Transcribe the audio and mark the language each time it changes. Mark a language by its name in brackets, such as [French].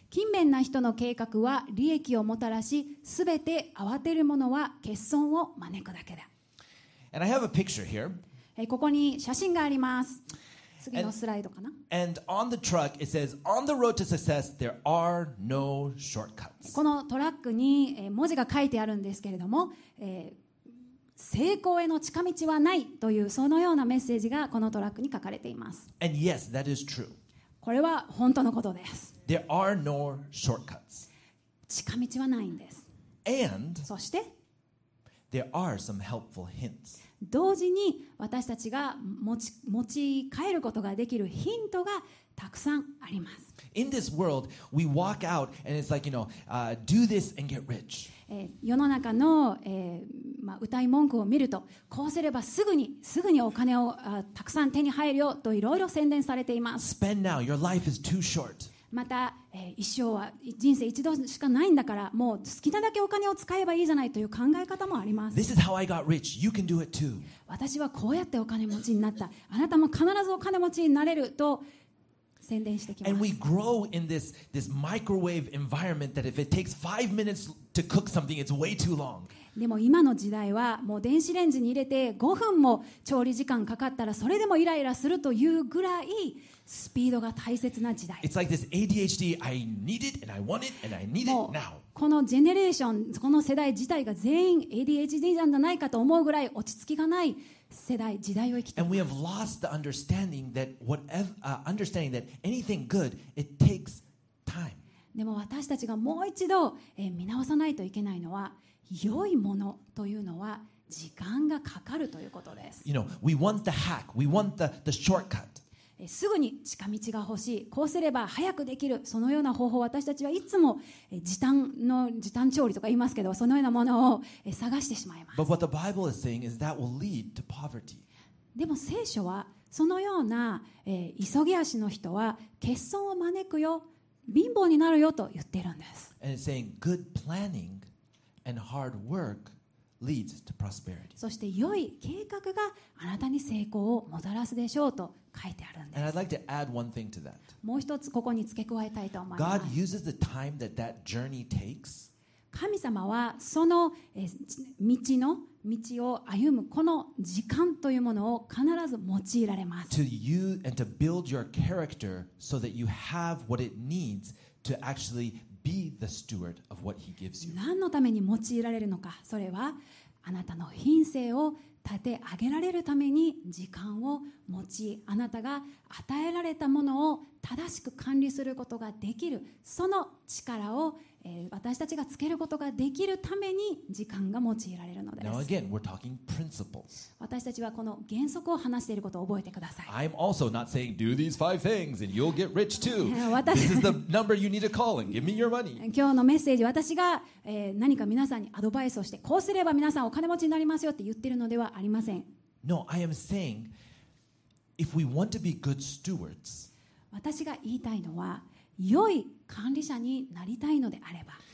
[Japanese] 勤勉な人の計画は利益をもたらし、すべて慌てる者は欠損を招くだけだ。 [English] And I have a picture here. [Japanese] ここに写真があります。次のスライドかな。 [English] and on the truck it says on the road to success there are no shortcuts. [Japanese] このトラックに文字が書いてあるんですけれども、成功への近道はないというそのようなメッセージがこのトラックに書かれています。 [English] and yes that is true. [Japanese] これは本当のことです。 [English] there are no shortcuts. [Japanese] 近道はないんです。 [English] and [Japanese] そして [English] there are some helpful hints. [Japanese] 同時に私たちが持ち帰ることができるヒントがたくさんあります。 [English] In this world, we walk out and it's like, you know, do this and get rich. [Japanese] 世の中の、歌い文句を見ると、こうすればすぐにお金をたくさん手に入るよといろいろ宣伝されています。 [English] Spend now, your life is too short. [Japanese] また、一生は人生一度しかないんだから、もう好きなだけお金を使えばいいじゃないという考え方もあります。 [English] This is how I got rich. You can do it too. [Japanese] 私はこうやってお金持ちになった、あなたも必ずお金持ちになれると宣伝してきます。 [English] And we grow in this microwave environment that if it takes 5 minutes to cook something, it's way too long. [Japanese] でも今の時代はもう電子レンジに入れて5分も調理時間かかったらそれでもイライラするというぐらいスピードが大切な時代。 [English] It's like this ADHD. I need it and I want it and I need it now. [Japanese] このジェネレーション、この世代自体が全員 ADHD なんじゃないかと思うぐらい落ち着きがない世代、時代を生きています [English] And we have lost the understanding that understanding that anything good, it takes time. [Japanese] でも私たちがもう一度、見直さないといけないのは、良いものというのは時間がかかるということです。 [English] You know, we want the hack. We want the shortcut. [Japanese] すぐに近道が欲しい、こうすれば早くできる、そのような方法を私たちはいつも時短調理とか言いますけど、そのようなものを探してしまいます。 [English] But what the Bible is saying is that will lead to poverty. [Japanese] でも聖書はそのような、急ぎ足の人は欠損を招くよ、貧乏になるよと言ってるんです。 [English] And it's saying good planning and hard work leads to prosperity. [Japanese] そして良い計画があなたに成功をもたらすでしょうと書いてあるんです。 [English] And I'd like to add one thing to that. [Japanese] もう一つここに付け加えたいと思います。 [English] God uses the time that that journey takes. [Japanese] 神様はその、道を歩むこの時間というものを必ず用いられます。 [English] To you and to build your character so that you have what it needs to actually be the steward of what he gives you. [Japanese] 何のために用いられるのか、それはあなたの品性を立て上げられるために時間を用い、あなたが与えられたものを正しく管理することができる、その力を私たちがつけることができるために時間が用いられるのです。 [English] Now again, we're talking principles. [Japanese] 私たちはこの原則を話していることを覚えてください。 [English] I'm also not saying do these five things and you'll get rich too. This is the number you need to call and give me your money. [Japanese] 今日のメッセージ、私が、何か皆さんにアドバイスをして、こうすれば皆さんお金持ちになりますよって言ってるのではありません。 [English] No, I am saying if we want to be good stewards, [Japanese] 私が言いたいのは、良い管理者になりたいのであれば、